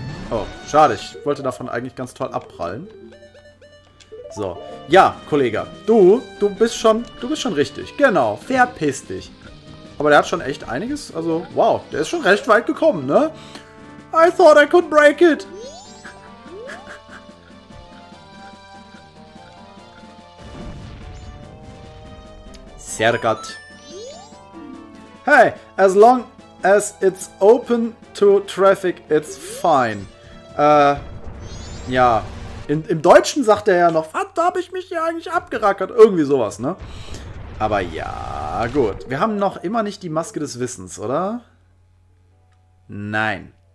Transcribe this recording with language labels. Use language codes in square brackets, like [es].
[de] Oh, schade, ich wollte davon eigentlich ganz toll abprallen. So, ja, Kollege, du bist schon richtig, genau, verpiss dich. Aber der hat schon echt einiges, also wow, der ist schon recht weit gekommen, ne? [en] I thought I could break it. Sergat. Hey, as long as it's open to traffic, it's fine. [de] Ja. Im Deutschen sagt er ja noch, was, da habe ich mich hier eigentlich abgerackert? Irgendwie sowas, ne? Aber ja, gut. Wir haben noch immer nicht die Maske des Wissens, oder? Nein.